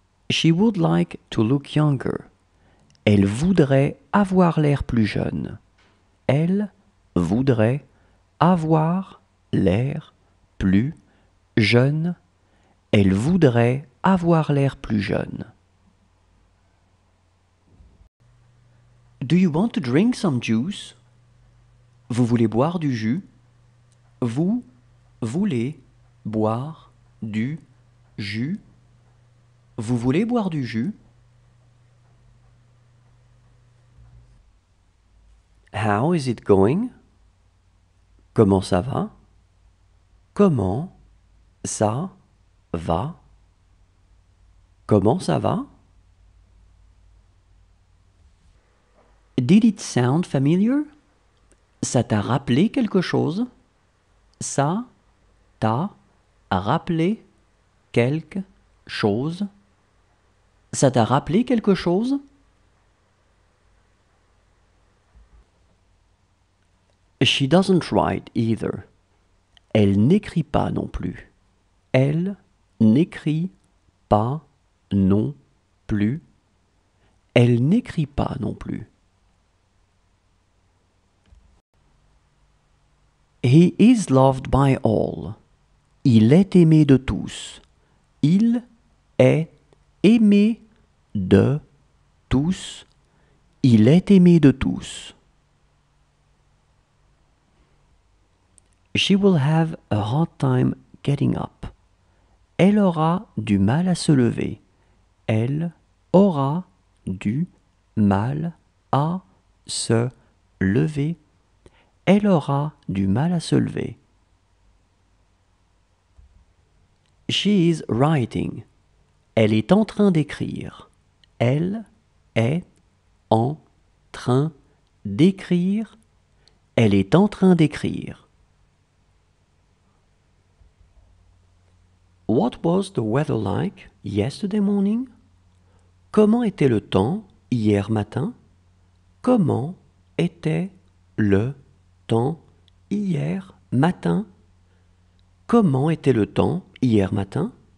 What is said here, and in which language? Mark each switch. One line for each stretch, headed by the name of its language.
English: She would like to look younger.
French: Elle voudrait avoir l'air plus jeune. Elle voudrait avoir l'air plus jeune. Elle voudrait avoir l'air plus jeune.
English: Do you want to drink some juice?
French: Vous voulez boire du jus? Vous voulez boire du jus? Vous voulez boire du jus?
English: How is it going?
French: Comment ça va? Comment ça va? Comment ça va?
English: Did it sound familiar?
French: Ça t'a rappelé quelque chose? Ça t'a rappelé quelque chose? Ça t'a rappelé quelque chose?
English: She doesn't write either.
French: Elle n'écrit pas non plus. Elle n'écrit pas non plus. Elle n'écrit pas non plus.
English: He is loved by all.
French: Il est aimé de tous. Il est aimé de tous. Il est aimé de tous.
English: She will have a hard time getting up.
French: Elle aura du mal à se lever. Elle aura du mal à se lever. Elle aura du mal à se lever.
English: She is writing.
French: Elle est en train d'écrire. Elle est en train d'écrire. Elle est en train d'écrire.
English: What was the weather like yesterday morning?
French: Comment était le temps hier matin? Comment était le temps hier matin? Comment était le temps hier matin?